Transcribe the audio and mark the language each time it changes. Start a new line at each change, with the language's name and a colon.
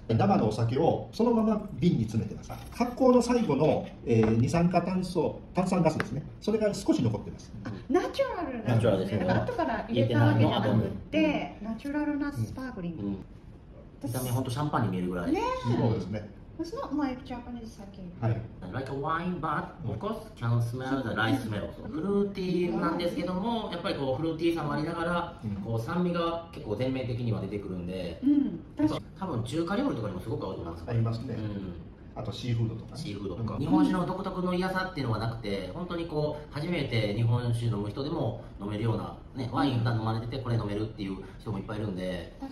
Japanese: 生のお酒をそのまま瓶に詰めてます。発酵の最後の、二酸化炭素、炭酸ガスですね、それが少し残ってます。ナチュラルなんですね、ですね、後から入れたわけじゃなくて、うん、ナチュラルなスパークリング、うんうん、見た目本当シャンパンに見えるぐらい、ね、そうですね。
English: It's not like Japanese sake. Like a wine, but of course can smell the rice smell.
Japanese: フルーティーなんですけども、やっぱりこうフルーティーさもありながら、こう酸味が結構全面的には出てくるんで、うん、多分中華料理とかにもすごく合うと思います。ありますね。うん、あとシーフードとか、ね、シーフードとか、うん、日本酒の独特の嫌さっていうのはなくて、本当にこう初めて日本酒飲む人でも飲めるような、ね、ワイン普段飲まれててこれ飲めるっていう人もいっぱいいるんで、